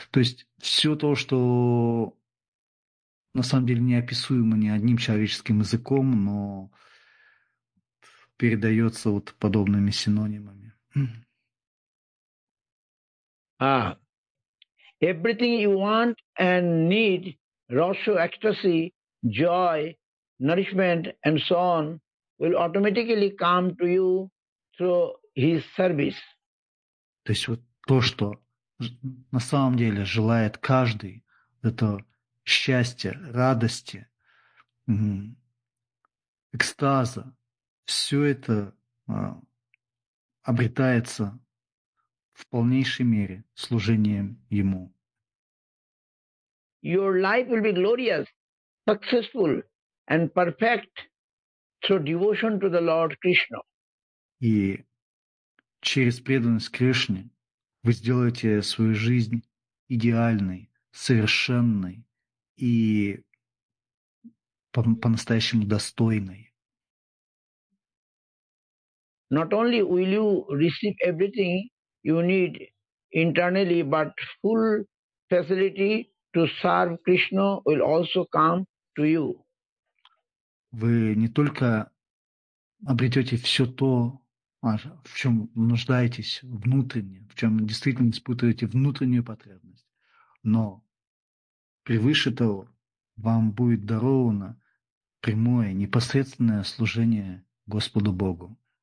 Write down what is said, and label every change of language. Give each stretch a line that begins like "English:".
Russian: То есть все то, что на самом деле неописуемо ни одним человеческим языком, но передается вот подобными синонимами.
English: Everything you want and need, rasa, ecstasy, joy, nourishment and so on, will automatically come to you through his service.
Russian: То есть вот то, что на самом деле желает каждый, это счастье, радости, экстаза, все это обретается в полнейшей мере служением ему.
English: Your life will be glorious, successful and perfect through devotion to the Lord Krishna.
Russian: И через преданность Кришне вы сделаете свою жизнь идеальной, совершенной и по-настоящему достойной.
English: Not only will you receive everything you need internally, but full facility to serve Krishna will also come to you.
Russian: Вы не только обретете все то, в чем нуждаетесь внутренне, в чем действительно испытываете внутреннюю потребность, но превыше того вам будет даровано прямое, непосредственное служение Господу Богу.